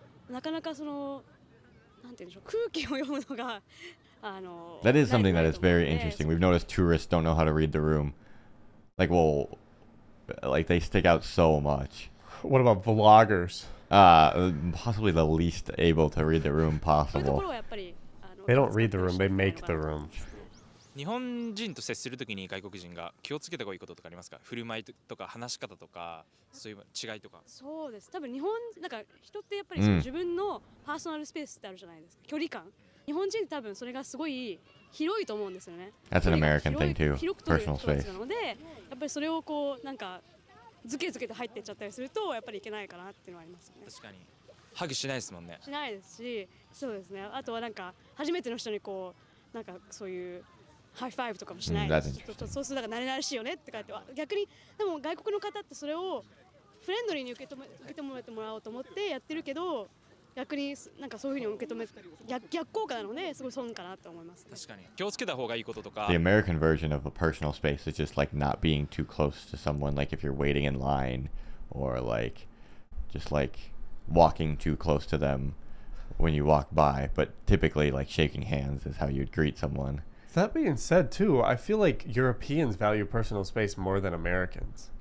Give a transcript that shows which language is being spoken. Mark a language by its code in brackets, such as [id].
[ja] なかなかその、なんていうんでしょう、空気を読むのが、 [en] That is something that is very interesting. We've noticed tourists don't know how to read the room. Like, well... Like, they stick out so much. What about vloggers? Possibly the least able to read the room possible. They don't read the room, they make the room. [ja] 日本人と接するときに外国人が気をつけた方がいいこととかありますか？振る舞いとか話し方とかそういう違いとか。そうです、多分日本なんか人ってやっぱりその自分のパーソナルスペースってあるじゃないですか、距離感。日本人って多分それがすごい広いと思うんですよね。 [en] That's an American thing too. [ja] 広く取る人たちなので、やっぱりそれをこうなんかズケズケと入っていっちゃったりするとやっぱりいけないかなっていうのはありますよね。確かにハグしないですもんね。しないですし、そうですね、あとはなんか初めての人にこうなんかそういうハイファイブとかもしないです。ちょっとそうするとなんか慣れ慣れしいよねって書いては、逆にでも外国の方ってそれをフレンドリーに受け止めてもらおうと思ってやってるけど、逆になんかそういうふうに受け止め、逆効果なのですごい損かなと思います、ね、確かに気をつけた方がいいこととか。 [en] The American version of a personal space is just like not being too close to someone, like if you're waiting in line or like just like walking too close to them when you walk by, but typically like shaking hands is how you'd greet someone. That being said too, I feel like Europeans value personal space more than Americans.